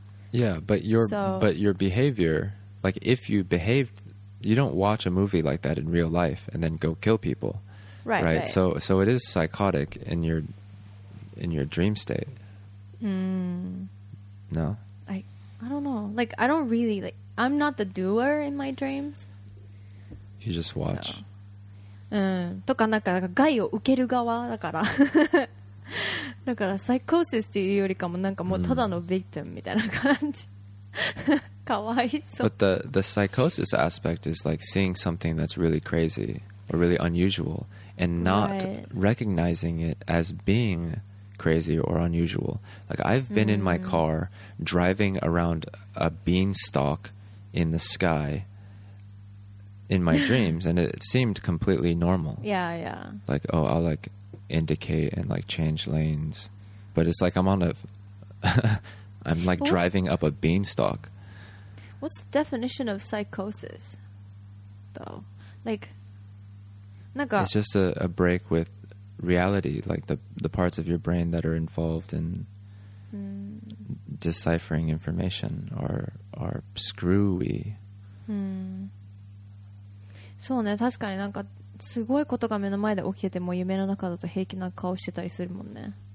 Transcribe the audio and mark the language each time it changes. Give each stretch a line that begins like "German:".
English: Yeah, but your behavior, like, if you behaved, you don't watch a movie like that in real life and then go kill people. Right. So it is psychotic in your dream state. No? I don't know. Like, I don't really, like, I'm not the doer in my dreams. You just watch. So.
Japanese: とか、なんか、害を受ける側だから。だから、サイコーシスというよりかも、なんかもうただのビクティムみたいな感じ。かわいそう。
English: But the psychosis aspect is like seeing something that's really crazy or really unusual and not recognizing it as being crazy or unusual. Like, I've been in my car driving around a beanstalk in the sky in my dreams and it seemed completely normal. Yeah, yeah. Like, oh, I'll like indicate and like change lanes. But it's like I'm on a... I'm like driving up a beanstalk. What's the definition of psychosis, though? Like, it's just a break with reality, like the parts of your brain that are involved in deciphering information are screwy.
Japanese: そうね、確かになんかすごいことが目の前で起きてても夢の中だと平気な顔してたりするもんね。